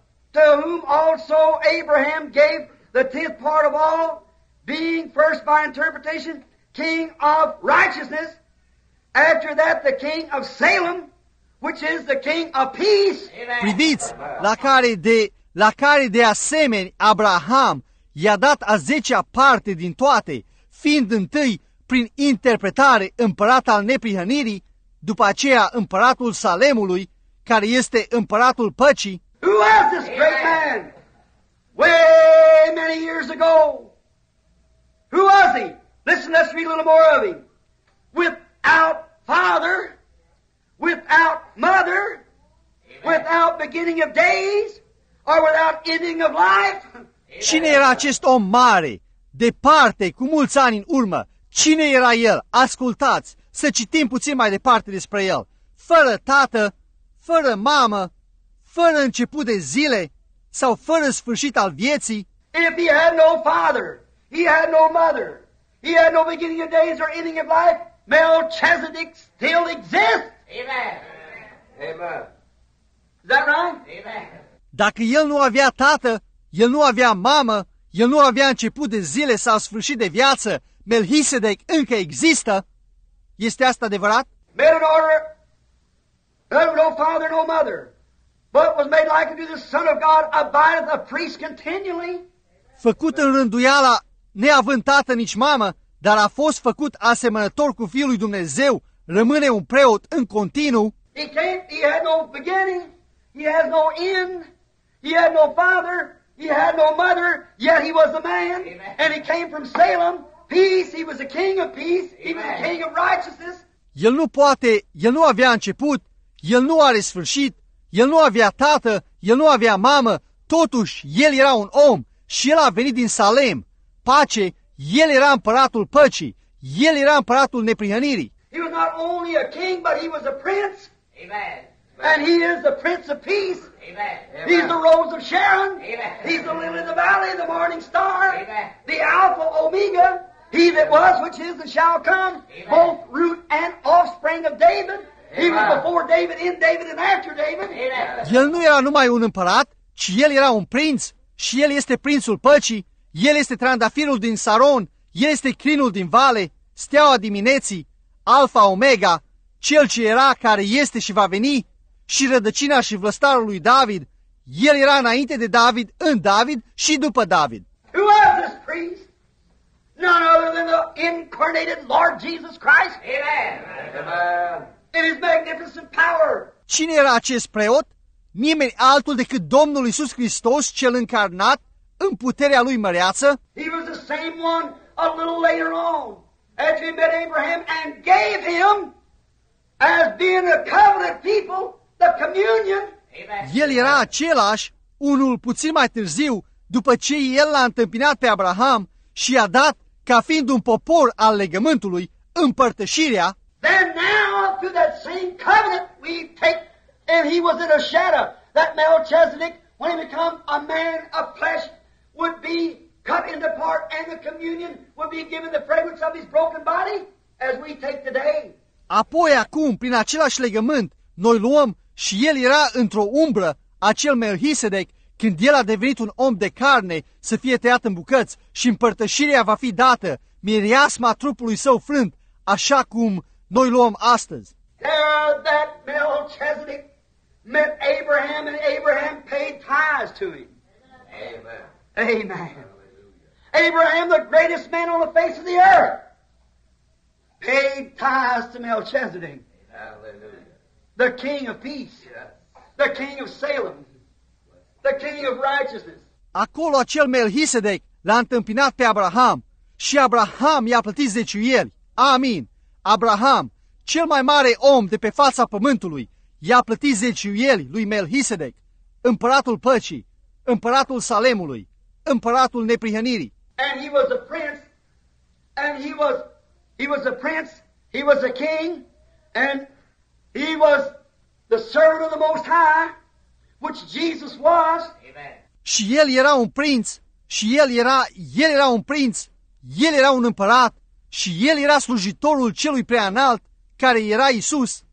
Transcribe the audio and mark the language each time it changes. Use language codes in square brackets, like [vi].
[en] To whom also Abraham gave the tenth part of all, being first by interpretation king of righteousness, after that the king of Salem, which is the king of peace. [ro] Priviți, la care de asemenea Abraham i-a dat a zecea parte din toate, fiind întâi prin interpretare împărat al neprihănirii, după aceea împăratul Salemului, care este împăratul păcii. [en] Who was this great man? Way many years ago. Who was he? Listen, let's read a little more of him. Without father, without mother, without beginning of days, or without ending of life. [ro] Cine era acest om mare, departe, cu mulți ani în urmă? Cine era el? Ascultați, să citim puțin mai departe despre el. Fără tată, fără mamă, fără început de zile sau fără sfârșit al vieții. [en] If he had no father, he had no mother, he had no beginning of days or ending of life, Melchizedek still exists. Amen. Amen. Is that right? Amen. [ro] Dacă el nu avea tată, el nu avea mamă, el nu avea început de zile sau sfârșit de viață, Melchizedek încă există. Este asta adevărat? [en] Made an order. There was no father, no mother. But was made like unto the Son of God, abideth a priest continually. [ro] Făcut în rânduiala, neavând tată nici mamă, dar a fost făcut asemănător cu Fiul lui Dumnezeu, rămâne un preot în continuu. [en] He had no beginning, he had no end, he had no father, he had no mother, yet he was a man. Amen. And he came from Salem, peace, he was a king of peace, Amen. He was a king of righteousness. [ro] El nu poate, el nu avea început, el nu are sfârșit, el nu avea tată, el nu avea mamă, totuși el era un om și el a venit din Salem. Pace, el era împăratul păcii, el era împăratul neprihănirii. [en] He was not only a king, but he was a prince. Amen. And he is the prince of peace. Amen. He's the rose of Sharon. Amen. He's the lily of the valley, the morning star. Amen. The Alpha Omega. He that was, which is, and shall come. Amen. Both root and offspring of David. Amen. He was before David, in David, and after David. Amen. [ro] El nu era numai un împărat, ci el era un prinț și el este prințul păcii. El este trandafirul din Saron, el este crinul din vale, steaua dimineții, Alfa Omega, cel ce era, care este și va veni, și rădăcina și vlăstarul lui David. El era înainte de David, în David și după David. [en] Who was this priest? None other than the incarnated Lord Jesus Christ. Amen. In his magnificent power. [ro] Cine era acest preot? Nimeni altul decât Domnul Iisus Hristos, cel încarnat, în puterea lui măreață? [en] He was the same one a little later on, after he met Abraham and gave him, as being a covenant people, the communion. Amen. [ro] El era același, unul puțin mai târziu, după ce el l-a întâmpinat pe Abraham și i-a dat, ca fiind un popor al legământului, împărtășirea. [en] Then now, through that same covenant, we take, and he was in a shadow, that Melchizedek, when he became a man of flesh, would be cut into part, and the communion would be given the fragrance of his broken body, as we take today. [ro] Apoi, acum, prin același legământ, noi luăm și el era într-o umbră, acel Melchizedek, când el a devenit un om de carne, să fie tăiat în bucăți, și împărtășirea va fi dată, miriasma trupului său frânt, așa cum noi luăm astăzi. [en] There that Melchizedek met Abraham, and Abraham paid tithes to him. Amen. Amen. Abraham, the greatest man on the face of the earth, paid tithes to Melchizedek. Hallelujah. The king of peace. Yes. The king of Salem. The king of righteousness. [ro] Acolo acel Melchizedek l-a întâmpinat pe Abraham și Abraham i-a plătit zeciuieli. Amin. Abraham, cel mai mare om de pe fața pământului, i-a plătit zeciuieli lui Melchizedek, împăratul păcii, împăratul Salemului, împăratul neprihănirii. [en] And he was a prince, and he was a prince, he was a king, and he was the servant of the Most High, which Jesus was. Amen. [ro] și el era un prinț, și el era un prinț, el era un împărat, și el era slujitorul celui preanalt, care era Iisus.